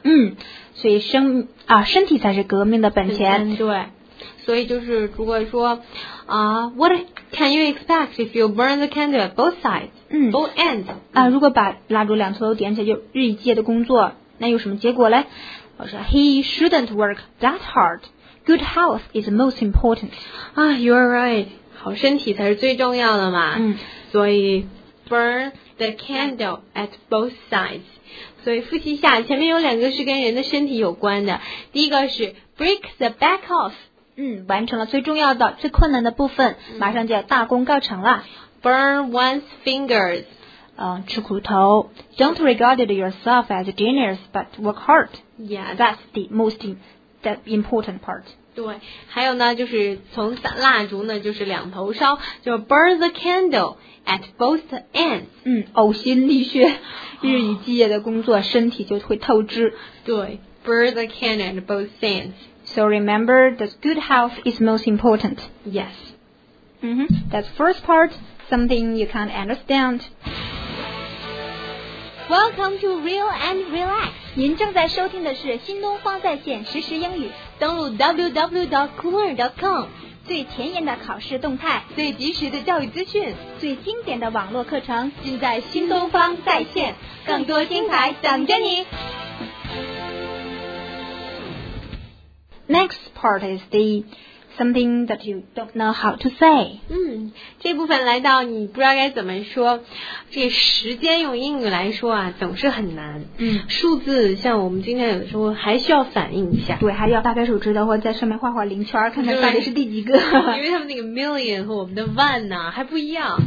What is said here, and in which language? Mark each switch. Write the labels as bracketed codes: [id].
[zh] 嗯，所以身体才是革命的本钱。对，所以就是如果说 [en] what can you expect if you burn the candle at both sides、嗯、 both ends、 [zh] 如果把蜡烛两头都点起来就日以继夜的工作，那有什么结果嘞？我说 [en] he shouldn't work that hardGood health is most important. Ah, you are right. [zh] 好身体才是最重要的嘛。嗯。所以 [en] burn the candle at both sides. [zh] 所以复习一下，前面有两个是跟人的身体有关的。 [en] 第一个是 break the back off. [zh] 嗯，完成了最重要的、最困难的部分，马上就要大功告成了。 [en] Burn one's fingers. [zh] 吃苦头。 [en] Don't regard yourself as a genius, but work hard. Yeah, that's the most important. That important part. [zh] 对，还有呢，就是从蜡烛呢，就是两头烧，就 [en] burn the candle at both ends. [zh] 嗯，呕心沥血，日以继夜的工作，身体就会透支。 [en] 对 ，burn the candle at both ends. So remember, the good health is most important. Yes. 嗯哼 ，that's first part. Something you can't understand. Welcome to Real and Relax. [zh] 您正在收听的是新东方在线实时英语，登录 www.cooler.com，最前沿的考试动态，最及时的教育资讯，最经典的网络课程，尽在新东方在线，更多精彩等着你。 [en] Next part is the something that you don't know how to say. [zh] 嗯，这部分来到你不知道该怎么说，这时间用英语来说啊，总是很难。嗯，数字像我们今天有的时候还需要反应一下。对，还要大概数知道，或者在上面画画零圈，看看到底是第几个。因为他们那个 million 和我们的 万 呢，还不一样。